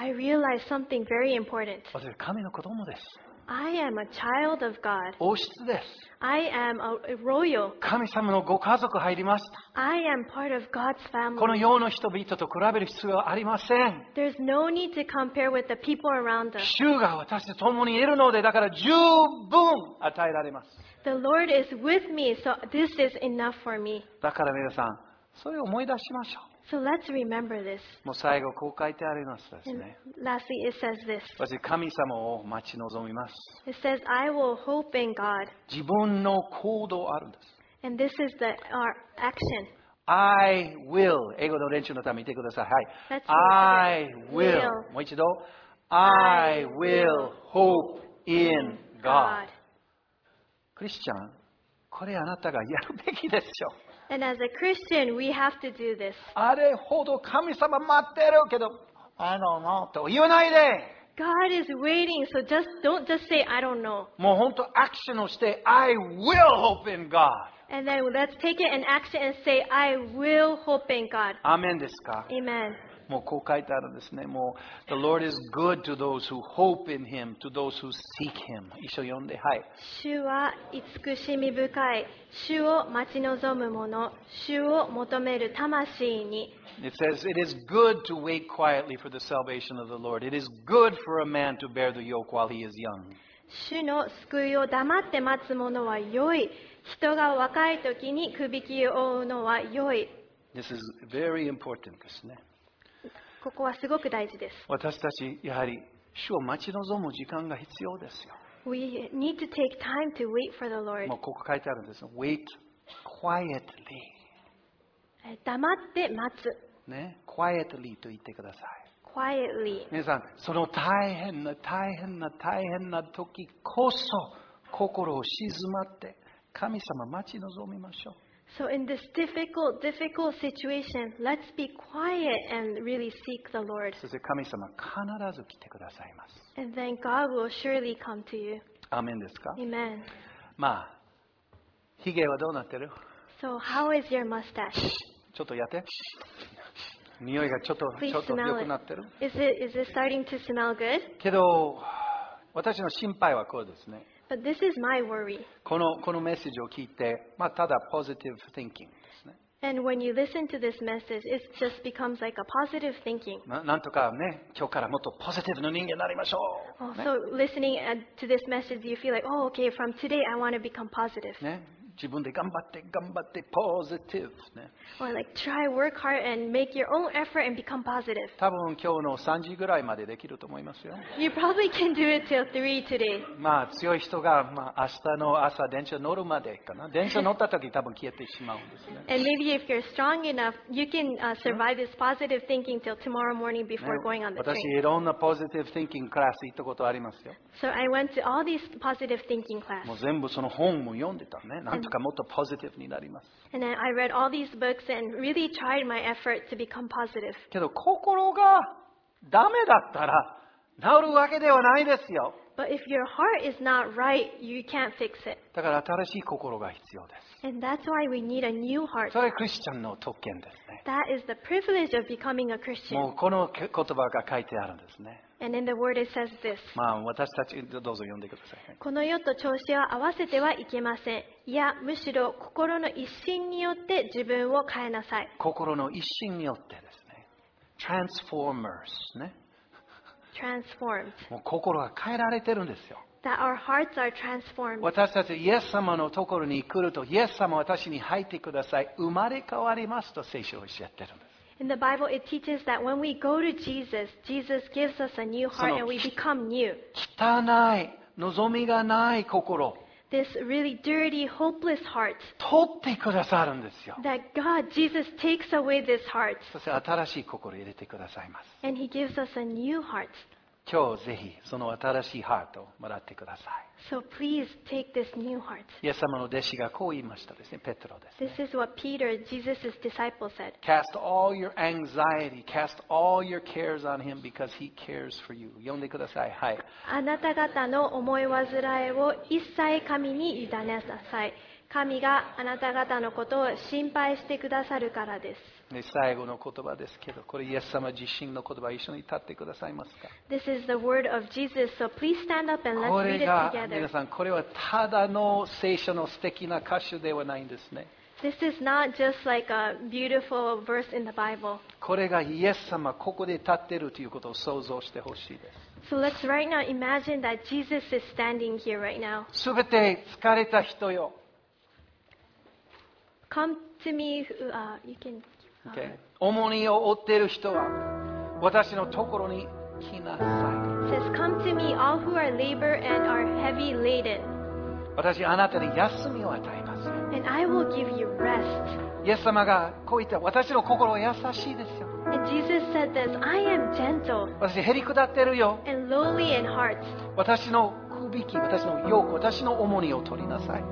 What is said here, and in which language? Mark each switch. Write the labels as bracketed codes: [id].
[en] I realized something very important. [ja] 私は神の子供です。 [en] I am a child of God. [ja] 王室です。 [en] I am a royal. [ja] 神様のご家族入りました。 [en] I am part of God's family. [ja] この世の人々と比べる必要はありません。 [en] There's no need to compare with the people around us. [ja] 主が私と共にいるので、だから十分与えられます。 [en] The Lord is with me, so this is enough for me. [ja] だから皆さん、それを思い出しましょう。 [en] So let's remember this. [ja] もう最後こう書いてありますですね。 [en] Lastly, it says this. [ja] 私神様を待ち望みます。 [en] It says, I will hope in God. [ja] 自分の行動あるんです。 [en] And this is the our action. I will. [ja] 英語の練習のために見てください。はい。 [en] I will. [ja] もう一度。 [en] I will hope in God. [ja] クリスチャン、これあなたがやるべきでしょ。 [en] And as a Christian, we have to do this. [ja] あれほど神様待ってるけど、 [en] I don't know [ja] と言わないで。 [en] God is waiting, so just don't just say I don't know. [ja] もう本当アクションをして、 [en] I will hope in God. And then let's take it in action and say I will hope in God. [ja] アメンですか。 [en] Amen. [ja] もうこう書いてあるんですね。 [en] もう The Lord is good to those who hope in Him, to those who seek Him. [ja] 一緒読んで、はい。主は慈しみ深い。主を待ち望む者、主を求める魂に。 [en] It says, it is good to wait quietly for the salvation of the Lord. It is good for a man to bear the yoke while he is young. [ja] 主の救いを黙って待つ者は良い。人が若い時に首輝きを負うのは良い。 [en] This is very important [ja] ですね。ここはすごく大事です。私たちやはり主を待ち望む時間が必要ですよ。 [en] We need to take time to wait for the Lord. [ja] もうここ書いてあるんです。 [en] Wait quietly. [ja] 黙って待つ。ね、quietly と言ってください。 [en] Quietly. [ja] 皆さん、その大変な大変な大変な時こそ心を静まって神様待ち望みましょう。 [en] So in this difficult, difficult situation, let's be quiet and really seek the Lord. [ja] そして神様必ず来てくださいます。 [en] And then God will surely come to you. [ja] アメンですか。 [en] Amen. [ja] まあ、ひげはどうなってる？ [en] So how is your mustache? [ja] ちょっとやって。匂いがちょっと良くなってる。 [en] Is it starting to smell good? [ja] けど、私の心配はこうですね。 [en] But this is my worry. [ja] このメッセージを聞いて、まあ、ただポジティブ thinking ですね。 [en] And when you listen to this message, it just becomes like a positive thinking. [ja] なんとかね、今日からもっとポジティブの人間になりましょう。 [en] Oh, so listening to this message, you feel like, oh, okay, from today I want to become positive. [ja] ね、自分で頑張って頑張ってポジティブね。 [en] Or like try work hard and make your own effort and become positive. [ja] 多分今日の3時ぐらいまでできると思いますよ。 [en] You probably can do it till 3 today. [ja] まあ強い人がまあ明日の朝電車乗るまでかな。電車乗った時多分消えてしまうんですね。 [en] And maybe if you're strong enough, you can survive this positive thinking till tomorrow morning before going on the train. [ja] 私いろんなポジティブ thinking クラス行ったことありますよ。 [en] So I went to all these positive thinking classes. [ja] もう全部その本も読んでたね。なんとかもっとポジティブになります。 [en] And then I read all these books and really tried my effort to become positive. [ja] けど心がダメだったら治るわけではないですよ。 [en] But if your heart is not right, you can't fix it. [ja] だから新しい心が必要です。 [en] And that's why we need a new heart. [ja] それはクリスチャンの特権ですね。 [en] That is the privilege of becoming a Christian. [ja] もうこの言葉が書いてあるんですね。 [en] And in the word it says this. [ja] まあ私たちどうぞ読んでください。この世と調子は合わせてはいけません。いや、むしろ心の一心によって自分を変えなさい。心の一心によってですね。 [en] Transformers ね。 Transformed. [ja] もう心が変えられてるんですよ。 [en] That our hearts are transformed. [ja] 私たちイエス様のところに来ると、イエス様私に入ってください。生まれ変わりますと聖書をおっしゃってるんです。 [en] In the Bible, it teaches that when we go to Jesus, Jesus gives us a new heart and we become new. [ja] 汚い、望みがない心。 [en] This really dirty, hopeless heart. [ja] 取ってくださるんですよ。 [en] That God, Jesus takes away this heart. [ja] そして新しい心を入れてくださいます。 [en] And He gives us a new heart. [ja] 今日ぜひその新しいハートをもらってください。 [en] So please take this new heart. [ja] イエス様の弟子がこう言いましたですね、ペトロです、ね。 [en] This is what Peter, Jesus' disciple said. Cast all your anxiety, cast all your cares on him because he cares for you. [ja] 読んでください。はい。あなた方の思い煩いを一切神に委ねなさい。神があなた方のことを心配してくださるからです。で最後の言葉ですけど、これイエス様自身の言葉一緒に立ってくださいますか。 [en] This is the word of Jesus, so please stand up and let's read it together. [ja] これが皆さん、これはただの聖書の素敵な箇所ではないんですね。 [en] This is not just like a beautiful verse in the Bible. [ja] これがイエス様ここで立っているということを想像してほしいです。 [en] So let's right now imagine that Jesus is standing here right now. [ja] すべて疲れた人よ。 [en] Come to me, you can. Okay. [ja] 重荷を負っている人は私のところに来なさい。 [en] It says, come to me, all who are labor and are heavy laden. [ja] 私あなたに休みを与えます。 [en] And I will give you rest. [ja] イエス様がこう言った、私の心は優しいですよ。 [en] And Jesus said this, I am gentle. [ja] 私減り下ってるよ。 [en] And lowly in heart. [ja] 私の私のヨーク、私の重荷を取りなさい。